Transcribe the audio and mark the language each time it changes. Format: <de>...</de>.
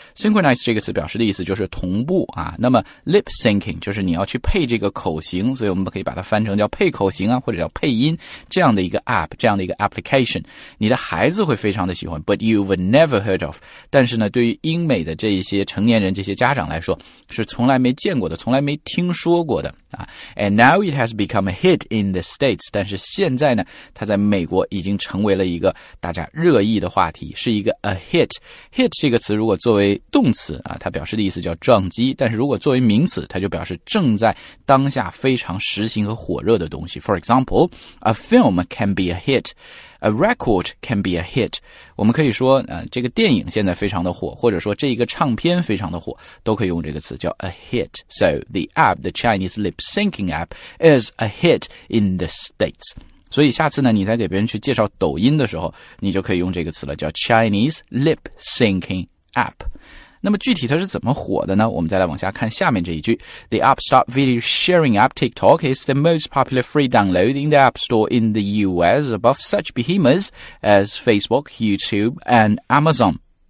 <zh>synchronize 这个词表示的意思就是同步啊。那么 lip syncing 就是你要去配这个口型，所以我们可以把它翻成叫配口型啊，或者叫配音这样的一个 app, 这样的一个 application。你的孩子会非常的喜欢 ,</zh> <en>but you've never heard of.</en> <zh>但是呢对于英美的这一些成年人这些家长来说是从来没见过的，从来没听说过的。</zh> <en>And now it has become a hit in the States.</en> <zh>但是现在呢，它在美国已经成为了一个大家热议的话题，是一个 a hit. Hit 这个词如果作为动词啊，它表示的意思叫撞击，但是如果作为名词，它就表示正在当下非常时兴和火热的东西。</zh> <en>For example, a film can be a hit. A record can be a hit.</en> <zh>我们可以说这个电影现在非常的火，或者说这一个唱片非常的火，都可以用这个词叫 a hit.</zh> <en>So the app, the Chinese lip syncing app, is a hit in the States.</en> <zh>所以下次呢，你在给别人去介绍抖音的时候，你就可以用这个词了，叫</zh> <en>Chinese lip syncing app.</en> <zh>那么具体它是怎么火的呢？我们再来往下看下面这一句。</zh> <en>The upstart video sharing app TikTok is the most popular free download in the App Store in the US, above such behemoths as Facebook, YouTube, and Amazon.</en>